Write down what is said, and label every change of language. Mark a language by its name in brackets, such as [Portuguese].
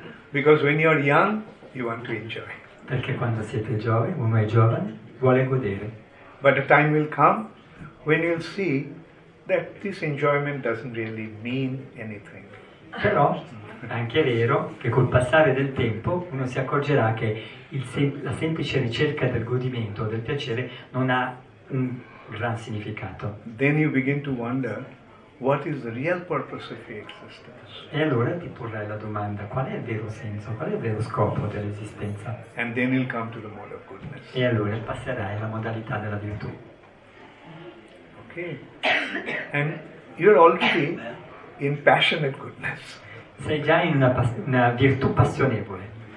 [English] Because when you are young, you want to enjoy. [Italian] Perché quando siete giovani, uno è giovane, vuole godere. [English] But the time will come when you'll see that this enjoyment doesn't really mean anything. [Italian] Però è anche vero che col passare del tempo uno si accorgerà che la semplice ricerca del godimento, del piacere, non ha un gran significato. [English] Then you begin to wonder what is the real purpose of your existence. [Italian] E allora ti porrai la domanda: qual è il vero senso, qual è il vero scopo dell'esistenza? [English] And then you'll come to the mode of goodness. [Italian] E allora passerai alla modalità della virtù. [English] And you're already in passionate goodness. [Italian] Sei già in una virtù passionevole.